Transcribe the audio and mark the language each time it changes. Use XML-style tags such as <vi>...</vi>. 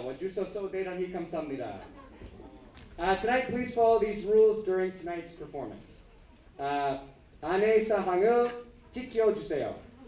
<ko>와주셔서 대단히 감사합니다.</ko> <en>Tonight, please follow these rules during tonight's performance.</en> <ko>안내 사항을 지켜주세요.</ko>